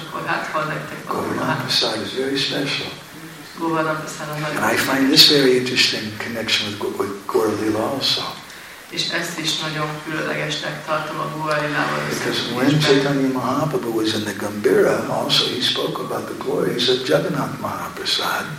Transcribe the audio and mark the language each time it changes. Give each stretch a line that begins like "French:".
English: Govardhan Prasad is very special. And I find this very interesting connection with Gaura Lila also.
Hungarian: És ezt is nagyon különlegesnek tartom a Govardhan Hill.
English: Because when Chaitanya Mahaprabhu was in the Gambira, also he spoke about the glories of Jagannath Mahaprasad.